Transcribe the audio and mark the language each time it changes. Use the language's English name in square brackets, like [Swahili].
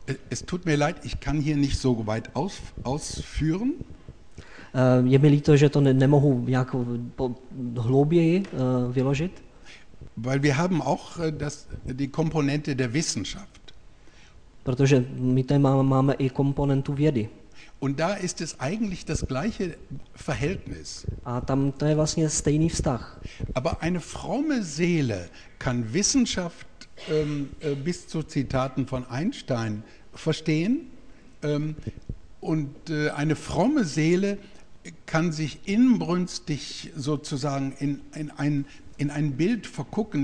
[German] Es tut mir leid, ich kann hier nicht so weit ausführen. [Czech] Je mi líto, že to nemohu nějak hlouběji vyložit. [German] Weil wir haben auch die Komponente der Wissenschaft. [Czech] Protože my tady máme i komponentu vědy. [German] Und da ist es eigentlich das gleiche Verhältnis. [Czech] A tam to je vlastně stejný vztah. [German] Aber eine fromme Seele kann Wissenschaft bis zu Zitaten von Einstein verstehen und eine fromme Seele kann sich inbrünstig sozusagen in ein Bild vergucken.